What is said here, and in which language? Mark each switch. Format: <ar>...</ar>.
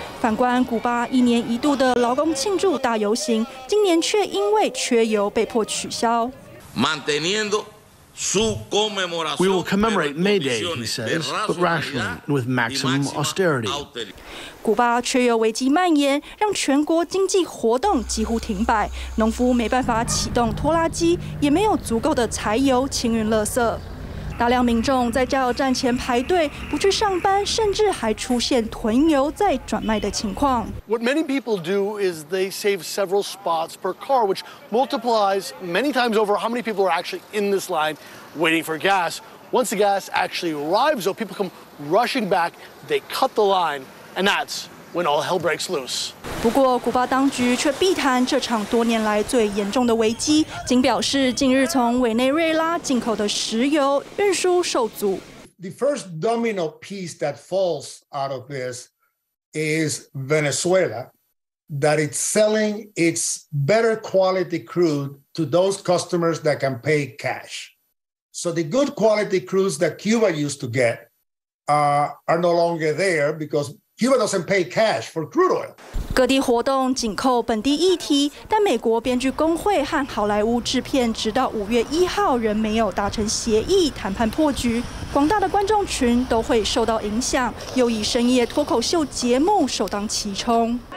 <zh>反观古巴一年一度的劳工庆祝大游行，今年却因为缺油被迫取消。</zh> <es>Manteniendo su conmemoración.</es> <en>We will commemorate May Day, he says, but rationally and with maximum austerity.</en> <zh>古巴缺油危机蔓延，让全国经济活动几乎停摆，农夫没办法启动拖拉机，也没有足够的柴油清运垃圾。大量民众在加油站前排队，不去上班，甚至还出现囤油再转卖的情况。</zh> <en>What many people do is they save several spots per car, which multiplies many times over how many people are actually in this line waiting for gas. Once the gas actually arrives, though, people come rushing back, they cut the line. And that's when all hell breaks loose.</en> <zh>不过，古巴当局却避谈这场多年来最严重的危机，仅表示近日从委内瑞拉进口的石油运输受阻。</zh> <en>The first domino piece that falls out of this is Venezuela, that it's selling its better quality crude to those customers that can pay cash. So the good quality crudes that Cuba used to get are no longer there because. Cuba doesn't pay cash for crude oil.</en> <zh>各地活动紧扣本地议题，但美国编剧工会和好莱坞制片直到5月1号仍没有达成协议，谈判破局，广大的观众群都会受到影响，又以深夜脱口秀节目首当其冲。</zh>